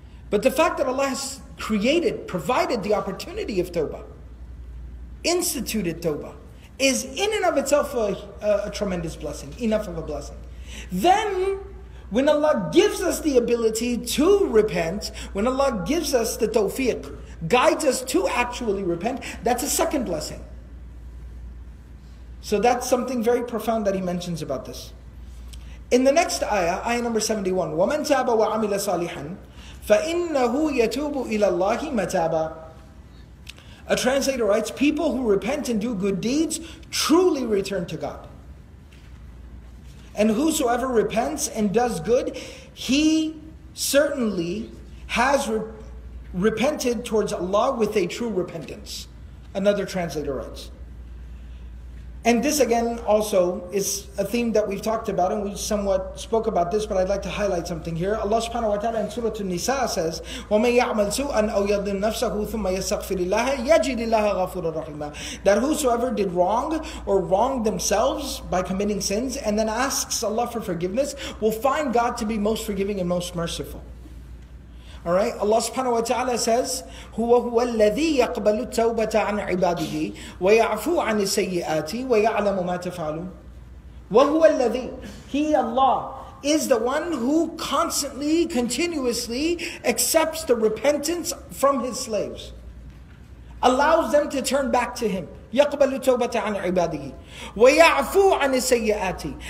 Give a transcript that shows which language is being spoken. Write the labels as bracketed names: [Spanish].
[English] But the fact that Allah has created, provided the opportunity of Tawbah, instituted Tawbah, is in and of itself a tremendous blessing, enough of a blessing. Then, when Allah gives us the ability to repent, when Allah gives us the tawfiq, guides us to actually repent, that's a second blessing. So that's something very profound that he mentions about this. In the next ayah, ayah number 71, [Arabic] وَمَنْ تَابَ وَعَمِلَ صَالِحًا فَإِنَّهُ يَتُوبُ إِلَى اللَّهِ مَتَابًا. [English] A translator writes, people who repent and do good deeds truly return to God. And whosoever repents and does good, he certainly has repented towards Allah with a true repentance. Another translator writes. And this again also is a theme that we've talked about, and we somewhat spoke about this, but I'd like to highlight something here. Allah subhanahu wa ta'ala in Surah An-Nisa says, [Arabic] وَمَنْ يَعْمَلْ سُوءًا أَوْ يَظْلِمْ نَفْسَهُ ثُمَّ يَسْتَغْفِرِ اللَّهَ يَجِدِ اللَّهَ غَفُورًا رَحِيمًا. [English] That whosoever did wrong or wronged themselves by committing sins and then asks Allah for forgiveness will find God to be most forgiving and most merciful. All right, Allah subhanahu wa ta'ala says, [Arabic] هو هو الذي يقبل التوبة عن عباده ويعفو عن السيئات ويعلم ما تفعلون. وهو الذي, [English] He, Allah, is the one who constantly, continuously accepts the repentance from His slaves, allows them to turn back to Him. [Arabic] يَقْبَلُ تَوْبَةَ عَنْ عِبَادِهِ وَيَعْفُو عَنِ السَّيِّئَاتِ.